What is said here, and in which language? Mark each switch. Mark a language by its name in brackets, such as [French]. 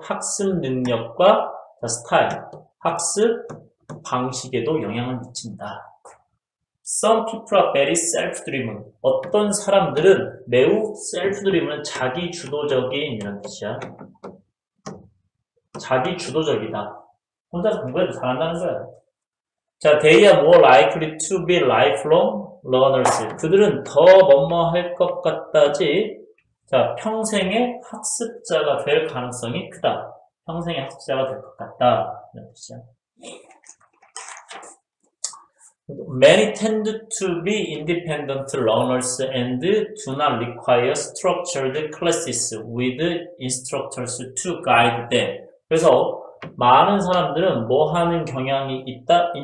[Korean] 학습 능력과 스타일, 학습 방식에도 영향을 미친다. [English] Some people are very self-driven. [Korean] 어떤 사람들은 매우 self-driven은 자기 주도적인 이런 뜻이야. 자기 주도적이다. 혼자 공부해도 잘한다는 거야. [English] 자, they are more likely to be lifelong learners. [Korean] 그들은 더 뭐뭐할 것 같다지. 자, 평생의 학습자가 될 가능성이 크다. 평생의 학습자가 될것 같다. 이런 뜻이야. [English] Many tend to be independent learners and do not require structured classes with instructors to guide them. [Korean] 그래서 많은 사람들은 뭐 하는 경향이 있다?